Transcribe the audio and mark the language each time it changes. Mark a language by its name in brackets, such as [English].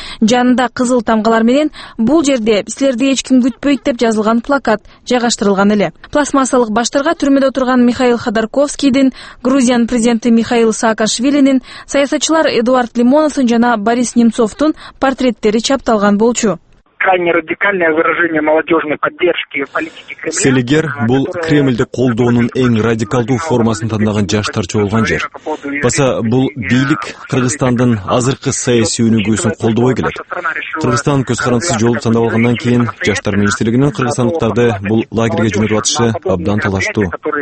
[Kyrgyz] Жанында кызыл тамгалар менен бул жерде силерди эч ким күтпөйт деп жазылган плакат жайгаштырылган эле. Пластмассалык баштарга түрмөдө отурган Михаил Ходорковскийдин, Грузиянын президенти Михаил Саакашвилинин, саясатчылар Эдуард Лимоновдун жана Борис Немцовдун портреттери чапталган болчу. [Russian] Крайне радикальное выражение молодежной поддержки политики Кремля. [Kyrgyz] Силигер бул Кремльди колдоонун эң радикалдуу формасын тандаган жаштарчы болгон жер. Баса бул бийлик Кыргызстандын азыркы саясий өнүгүүсүн колдобой келет. Кыргызстан көз карандысыз жолду тандап алгандан кийин жаштар министрлигинин кыргызстандыктарды бул лагерге жөнөтүп атышы абдан талаштуу.